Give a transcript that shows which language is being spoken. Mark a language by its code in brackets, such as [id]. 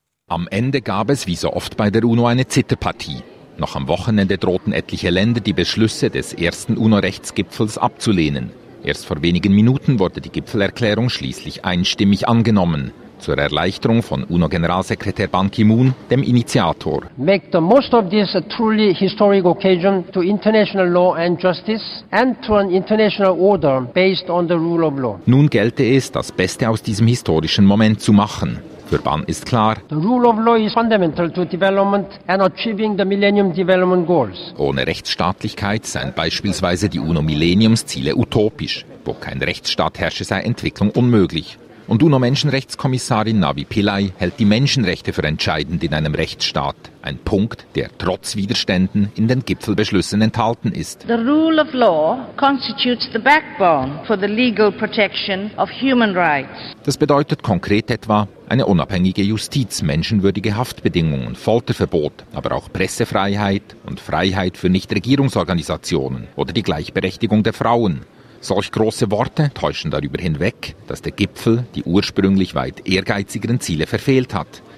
[de] Am Ende gab es, wie so oft bei der UNO, eine Zitterpartie. Noch am Wochenende drohten etliche Länder, die Beschlüsse des ersten UNO-Rechtsgipfels abzulehnen. Erst vor wenigen Minuten wurde die Gipfelerklärung schließlich einstimmig angenommen. Zur Erleichterung von UNO-Generalsekretär Ban Ki-moon, dem Initiator. [en] Make the most of this truly historic occasion to international law and justice and to an international order based on the rule of law. [de] Nun gelte es, das Beste aus diesem historischen Moment zu machen. Für Ban ist klar, [en] the rule of law is fundamental to development and achieving the Millennium Development Goals. [de] Ohne Rechtsstaatlichkeit seien beispielsweise die UNO-Millenniumsziele utopisch. Wo kein Rechtsstaat herrsche, sei Entwicklung unmöglich. Und UNO-Menschenrechtskommissarin Navi Pillay hält die Menschenrechte für entscheidend in einem Rechtsstaat. Ein Punkt, der trotz Widerständen in den Gipfelbeschlüssen enthalten ist. [en] The rule of law constitutes the backbone for the legal protection of human rights. [de] Das bedeutet konkret etwa eine unabhängige Justiz, menschenwürdige Haftbedingungen, Folterverbot, aber auch Pressefreiheit und Freiheit für Nichtregierungsorganisationen oder die Gleichberechtigung der Frauen. Solch große Worte täuschen darüber hinweg, dass der Gipfel die ursprünglich weit ehrgeizigeren Ziele verfehlt hat.